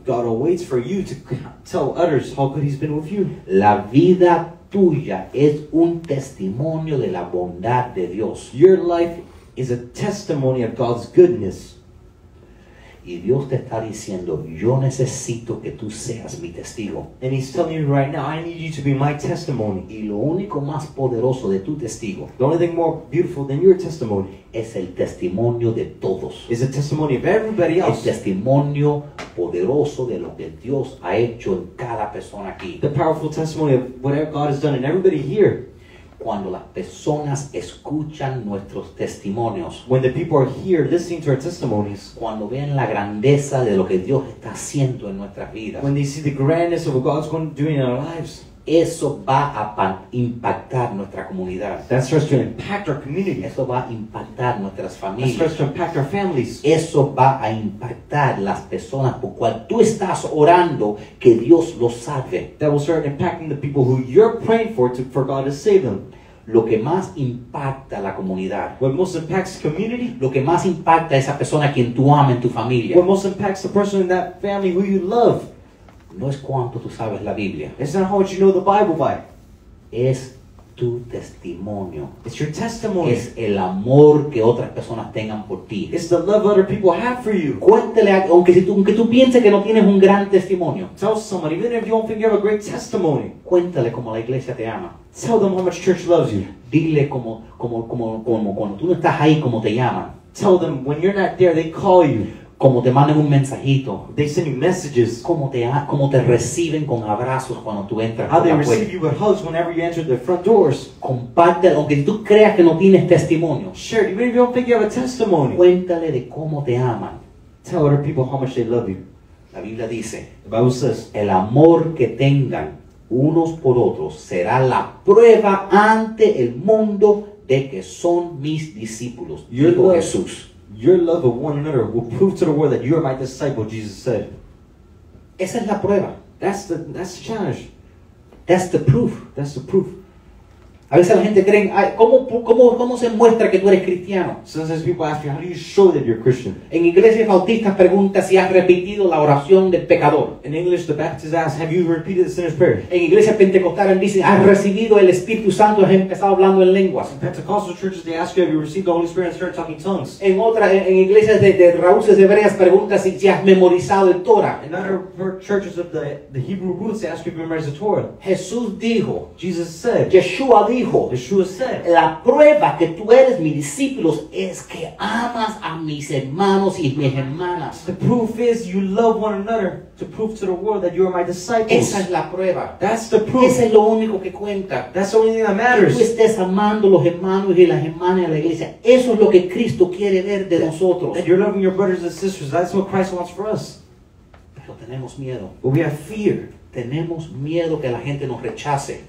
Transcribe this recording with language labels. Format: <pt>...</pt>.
<en>God awaits for you to tell others how good he's been with you.</en> <es>La vida tuya es un testimonio de la bondad de Dios.</es> <en>Your life is a testimony of God's goodness.</en> <es>Y Dios te está diciendo, yo necesito que tú seas mi testigo.</es> <en>And he's telling you right now, I need you to be my testimony.</en> <es>Y lo único más poderoso de tu testigo,</es> <en>the only thing more beautiful than your testimony,</en> <es>es el testimonio de todos.</es> <en>Is the testimony of everybody else.</en> <es>El testimonio poderoso de lo que Dios ha hecho en cada persona aquí.</es> <en>The powerful testimony of whatever God has done in everybody here.</en> <es>Cuando las personas escuchan nuestros testimonios,</es> <en>when the people are here listening to our testimonies,</en> <es>cuando ven la grandeza de lo que Dios está haciendo en nuestras vidas,</es> <en>when they see the grandness of what God's going to do in our lives,</en> <es>eso va a impactar nuestra comunidad.</es> <en>That starts to impact our community.</en> <es>Eso va a impactar nuestras familias.</es> <en>That starts to impact our families.</en> <es>Eso va a impactar las personas por cual tú estás orando que Dios los salve.</es> <en>That will start impacting the people who you're praying for God to save them.</en> <es>Lo que más impacta a la comunidad.</es> <en>What most impacts the community.</en> <es>Lo que más impacta a esa persona a quien tú amas en tu familia.</es> <en>What most impacts the person in that family who you love.</en> <es>No es cuánto tú sabes la Biblia.</es> <en>It's not how much you know the Bible by.</en> <es>Es tu testimonio.</es> <en>It's your testimony.</en> <es>Es el amor que otras personas tengan por ti.</es> <en>It's the love other people have for you.</en> <es>Cuéntale, aunque tú pienses que no tienes un gran testimonio.</es> <en>Tell somebody, even if you don't think you have a great testimony.</en> <es>Cuéntale cómo la iglesia te ama.</es> <en>Tell them how much church loves you.</en> <es>Dile como cuando tú no estás ahí, cómo te llaman.</es> <en>Tell them when you're not there, they call you.</en> <es>Como te mandan un mensajito.</es> <en>They send you messages.</en> <es>Como te reciben con abrazos cuando tú entras.</es> <en>How they receive you with hugs whenever you enter their front doors.</en> <es>Comparte, aunque tú creas que no tienes testimonio.</es> <en>Sure, even if you don't think you have a testimony.</en> <es>Cuéntale de cómo te aman.</es> <en>Tell other people how much they love you.</en> <es>La Biblia dice.</es> <en>The Bible says.</en> <es>El amor que tengan unos por otros será la prueba ante el mundo de que son mis discípulos. Dijo Jesús.</es> <en>Your love of one another will prove to the world that you are my disciple, Jesus said. Esa es la prueba. That's the challenge. That's the proof.</en> <es>A veces la gente cree, ¿cómo se muestra que tú eres cristiano?</es> <en>Sometimes people ask you, how do you show that you're Christian?</en> <es>En iglesias bautistas pregunta si has repetido la oración del pecador.</es> <en>In English, the Baptists ask, have you repeated the sinner's prayer?</en> <es>En iglesias pentecostales dicen, has recibido el Espíritu Santo y has empezado hablando en lenguas.</es> <en>In Pentecostal churches, they ask you, have you received the Holy Spirit and started talking tongues?</en> <es>En otras, en iglesias de raúces hebreas pregunta si has memorizado el Torah.</es> <en>In other churches of the Hebrew roots, they ask you, have you memorized the Torah?</en> <es>Jesús dijo,</es> <en>Jesus said,</en> <es>Yeshua dijo,</es> <en>Yeshua said,</en> <es>la prueba que tú eres mi discípulo es que amas a mis hermanos y mis hermanas.</es> <en>The proof is you love one another to prove to the world that you are my disciples.</en> <es>Esa es la prueba.</es> <en>That's the proof.</en> <es>Ese es lo único que cuenta.</es> <en>That's the only thing that matters.</en> <es>Que tú estés amando los hermanos y las hermanas de la iglesia. Eso es lo que Cristo quiere ver de nosotros.</es> <en>That you're loving your brothers and sisters. That's what Christ wants for us.</en> <es>Pero tenemos miedo.</es> <en>But we have fear.</en> <es>Tenemos miedo que la gente nos rechace.</es>